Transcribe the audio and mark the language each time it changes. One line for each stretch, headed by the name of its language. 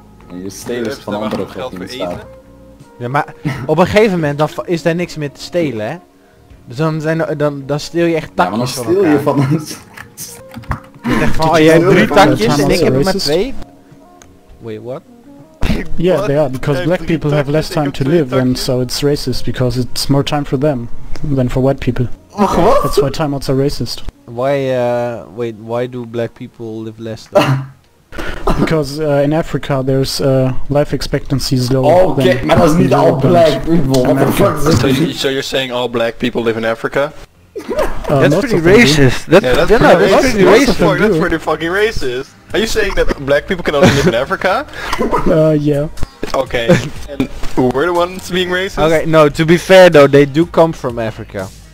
Dutch: En je stelen is van andere geld in staat. Ja, maar op een gegeven moment dan is daar niks meer te stelen, hè? Dus dan steel je echt takjes van elkaar. Ja, maar dan steel je van ons. Je zegt van, oh, jij hebt 3 takjes en ik heb er maar 2.
English: Wait, what? Yeah, they are, because black people have less time to live and so it's racist, because it's more time for them than for white people. Ach, what? That's why time outs are racist. Why do black people live less than? Because in Africa there's life expectancy is lower.
Dutch: Oh, okay, maar dat is niet
English: all black people. What the fuck is this? So you're saying all black people live in Africa? That's pretty racist. That's pretty fucking racist. Are you saying that black people can only live in Africa? Yeah. Okay. And we're the ones being racist? Okay, no, to be fair though, they do come from Africa.